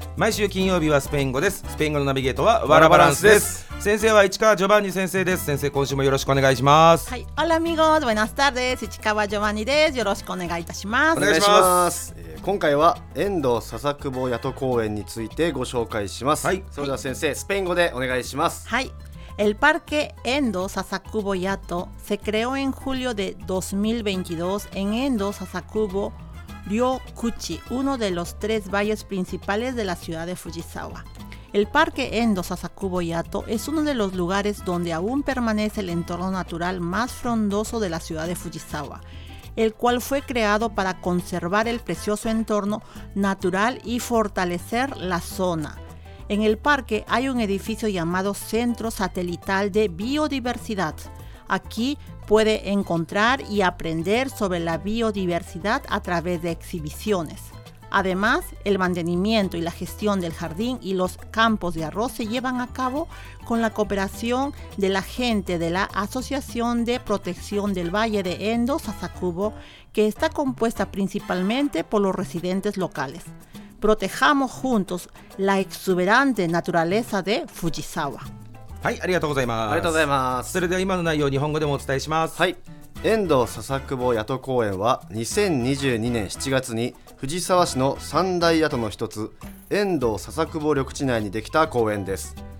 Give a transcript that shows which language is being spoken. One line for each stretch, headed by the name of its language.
Japanese: 毎週金曜日はスペイン語です。スペイン語のナビゲートはワラバランスです。先生は市川ジョバンニ先生です。先生今週もよろしくお願いします。はい、
Spanish: アラミゴーズバイナスター
Japanese: です。市川ジョバンニです。よろしくお願いいたします。お願いします。今回は遠藤笹久保谷戸公園についてご紹介します。はい、それでは先生、はい、スペイン語でお願いします。
Spanish: はい、El Parque Endo Sasakubo Yato se creó en julio de 2022 en Endo Sasakubo Ryokuchi, uno de los tres valles principales de la ciudad de Fujisawa. El Parque Endo Sasakubo Yato es uno de los lugares donde aún permanece el entorno natural más frondoso de la ciudad de Fujisawa, el cual fue creado para conservar el precioso entorno natural y fortalecer la zona. En el parque hay un edificio llamado Centro Satelital de Biodiversidad. Aquí puede encontrar y aprender sobre la biodiversidad a través de exhibiciones. Además, el mantenimiento y la gestión del jardín y los campos de arroz se llevan a cabo con la cooperación de la gente de la Asociación de Protección del Valle de Endo, Sasakubo, que está compuesta principalmente por los residentes locales. Protejamos juntos la exuberante naturaleza de Fujisawa.
Japanese: はい、ありがとうございます。ありがとうございます。それでは今の内容を日本語でもお伝えします。はい、遠藤笹久保谷戸公園は2022年7月に藤沢市の三大谷戸の一つ遠藤笹久保緑地内にできた公園です。